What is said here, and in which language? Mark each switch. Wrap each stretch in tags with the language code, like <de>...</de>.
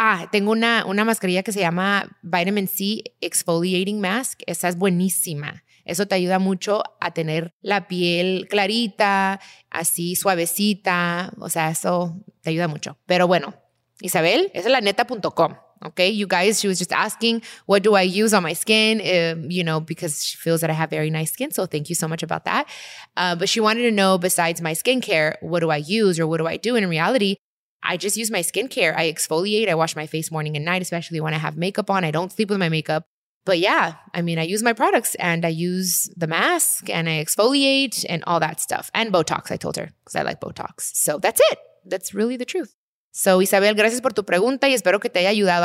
<es>Tengo una mascarilla que se llama Vitamin C Exfoliating Mask. Esa es buenísima. Eso te ayuda mucho a tener la piel clarita, así suavecita. O sea, eso te ayuda mucho. Pero bueno, Isabel, esa es la neta.com.</es> <en>Okay, you guys, she was just asking, what do I use on my skin? Because she feels that I have very nice skin. So thank you so much about that. But she wanted to know, besides my skincare, what do I use or what do I do? And in reality, I just use my skincare. I exfoliate. I wash my face morning and night, especially when I have makeup on. I don't sleep with my makeup. But yeah, I mean, I use my products and I use the mask and I exfoliate and all that stuff. And Botox, I told her, because I like Botox. So that's it. That's really the truth.</en> <es>So, Isabel, gracias por tu pregunta y espero que te haya ayudado.</es>